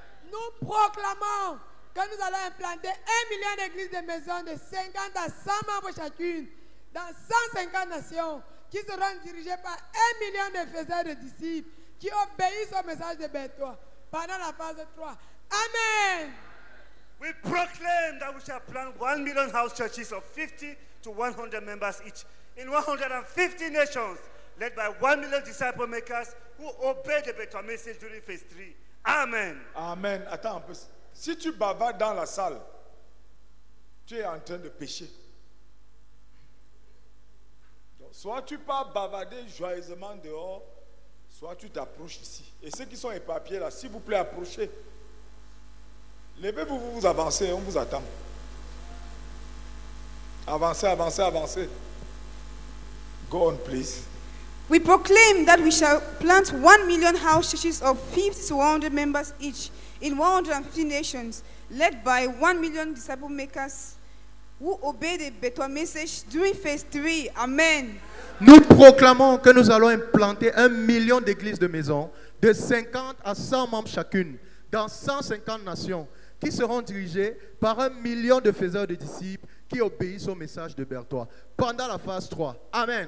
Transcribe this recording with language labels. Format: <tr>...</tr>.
<fr>Nous proclamons que nous allons implanter 1 million d'églises, de maisons de 50 à 100 membres chacune dans 150 nations qui seront dirigées par 1 million de faiseurs de disciples qui obéissent au message de Béthoa pendant la phase 3. Amen.</fr> <en>We proclaim that we shall plant 1 million house churches of 50 to 100 members each in 150 nations, led by 1 million disciple makers who obey the Béthoa message during phase 3. Amen.</en> <fr>Amen. Attends un peu. Si tu bavardes dans la salle, tu es en train de pécher. Donc, soit tu pars bavarder joyeusement dehors, soit tu t'approches ici. Et ceux qui sont éparpillés là, s'il vous plaît, approchez. Levez-vous, vous avancez, on vous attend. Avancez, avancez, avancez.</fr> <en>Go on, please. We proclaim that we shall plant 1 million house churches of 50 to 100 members each in 150 nations, led by 1 million disciple makers who obey the Béthoa message during phase 3. Amen.</en> <fr>Nous proclamons que nous allons implanter 1 million d'églises, de maisons de 50 à 100 membres chacune dans 150 nations qui seront dirigées par 1 million de faiseurs de disciples qui obéissent au message de Béthoa pendant la phase 3. Amen.</fr>